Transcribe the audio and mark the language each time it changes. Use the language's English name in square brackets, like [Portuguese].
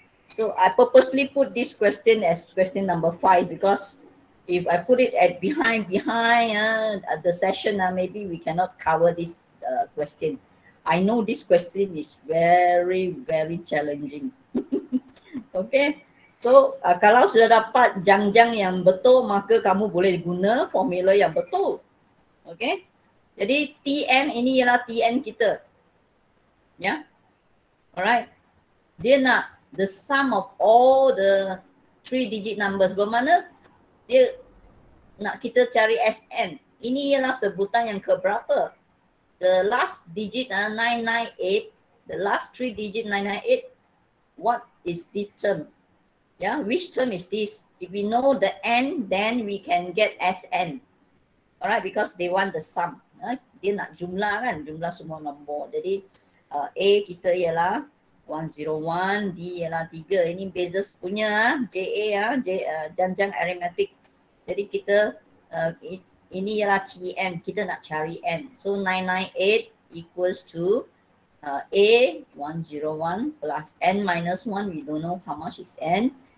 [English] So, I purposely put this question as question number 5 because if I put it at behind at the session, maybe we cannot cover this question. I know this question is very, very challenging. Okay? [Malay] So, kalau sudah dapat jang-jang yang betul, maka kamu boleh guna formula yang betul. [English] Okay? [Malay] Jadi TN ini ialah TN kita. [English] Ya? Yeah? Alright? [Malay] Dia nak [English] the sum of all the 3-digit numbers. [Malay] Bermakna dia nak kita cari SN. Ini ialah sebutan yang keberapa? [English] The last digit 998. The last 3-digit 998. What is this term? Yeah, which term is this? If we know the N, then we can get SN. Alright, because they want the sum. [Malay] Dia nak jumlah kan, jumlah semua nombor. Jadi A kita ialah 101, D ialah 3. Ini beza punya JA, janjang arithmetic. Jadi kita, ini ialah TN, kita nak cari N. [English] So 998 equals to A 101 plus n minus 1, we don't know how much is n.